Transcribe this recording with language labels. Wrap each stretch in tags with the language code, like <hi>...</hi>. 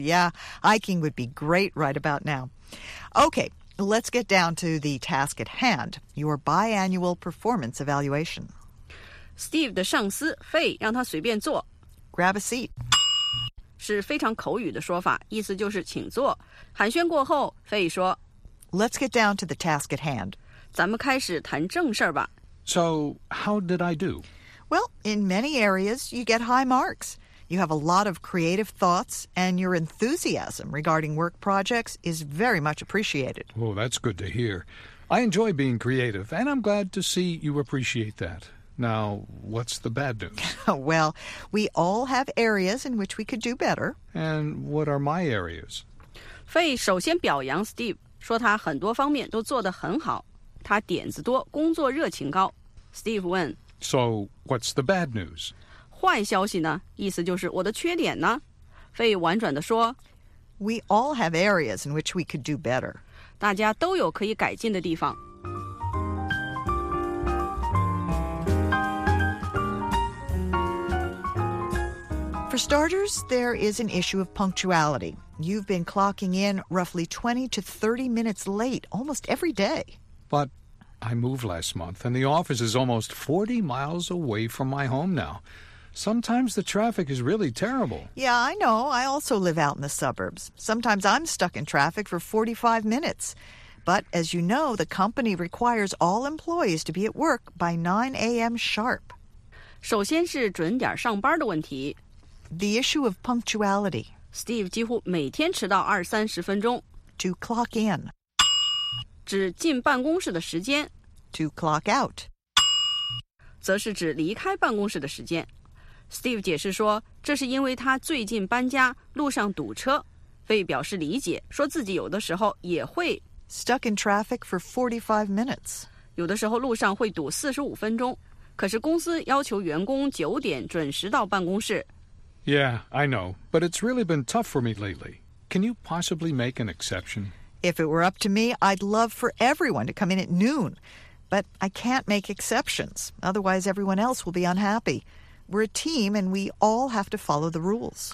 <en>Yeah, hiking would be great right about now. Okay, let's get down to the task at hand, your biannual performance evaluation.</en> <zh>Steve 的上司 Fei 让他随便坐。</zh> <en>Grab a seat.</en> <zh>是非常口语的说法，意思就是请坐。寒暄过后 ,Fei 说。</zh> <en>Let's get down to the task at hand.</en> <zh>咱们开始谈正事儿吧。</zh> <en>So, how did I do? Well, in many areas, you get high marks. You have a lot of creative thoughts, and your enthusiasm regarding work projects is very much appreciated. Oh, that's good to hear. I enjoy being creative, and I'm glad to see you appreciate that. Now, what's the bad news? Well, we all have areas in which we could do better. And what are my areas?</en> <zh>费首先表扬 Steve, 说他很多方面都做得很好。他点子多，工作热情高。Steve 问</zh> <en>：“So what's the bad news？”</en> <zh>坏消息呢？意思就是我的缺点呢？费婉转地说</zh> <en>We all have areas in which we could do better.</en> <zh>大家都有可以改进的地方。</zh> <en>For starters, there is an issue of punctuality. You've been clocking in roughly 20 to 30 minutes late almost every day. But I moved last month, and the office is almost 40 miles away from my home now. Sometimes the traffic is really terrible. Yeah, I know. I also live out in the suburbs. Sometimes I'm stuck in traffic for 45 minutes. But as you know, the company requires all employees to be at work by 9 a.m. sharp.</en> <zh>首先是准点上班的问题。</zh> <en>The issue of punctuality.</en> <zh>Steve 几乎每天迟到二三十分钟。</zh> <en>To clock in.</en> <zh>指进办公室的时间。</zh> <en>To clock out.</en> <zh>则是指离开办公室的时间。Steve 解释说，这是因为他最近搬家，路上堵车。为表示理解，说自己有的时候也会</zh> <en>stuck in traffic for 45 minutes.</en> <zh>有的时候路上会堵45分钟。可是公司要求员工九点准时到办公室。</zh> <en>Yeah, I know, but it's really been tough for me lately. Can you possibly make an exception? If it were up to me, I'd love for everyone to come in at noon. But I can't make exceptions, otherwise everyone else will be unhappy. We're a team, and we all have to follow the rules.</en>